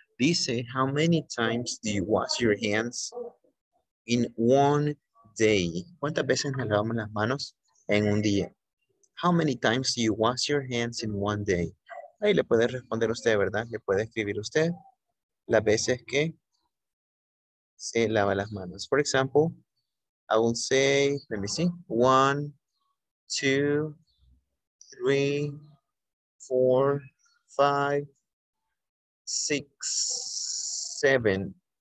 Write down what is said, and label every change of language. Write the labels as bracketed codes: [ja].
[en] Dice, how many times do you wash your hands in one day? [es] ¿Cuántas veces nos lavamos las manos en un día? [en] How many times do you wash your hands in one day? [es] Ahí le puede responder usted, ¿verdad? Le puede escribir usted las veces que se lava las manos. [en] For example, I will say, let me see, 1, 2, 3, 4, 5, 6, 7.